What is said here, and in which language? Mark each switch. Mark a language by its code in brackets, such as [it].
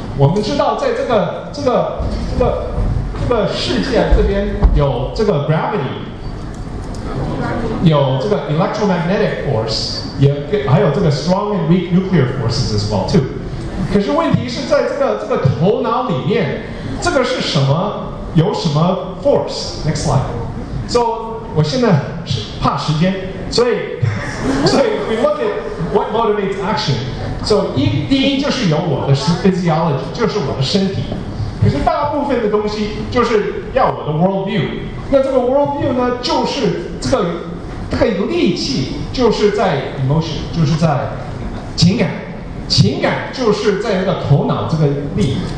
[zh] 我们知道在这个世界这边有这个 gravity， 有这个 electromagnetic force， 也还有这个 [en] strong and weak nuclear forces as well too。 [zh] 可是问题是在这个头脑里面，这个是什么？有什么 force？ Next slide。 So我现在是怕时间，所以 [en] we look at what motivates action。 [zh] So 第一就是有我的 physiology， 就是我的身体。可是大部分的东西就是要我的 world view。那这个 world view 呢，就是这个力气就是在 emotion， 就是在情感，就是在那个头脑这个力。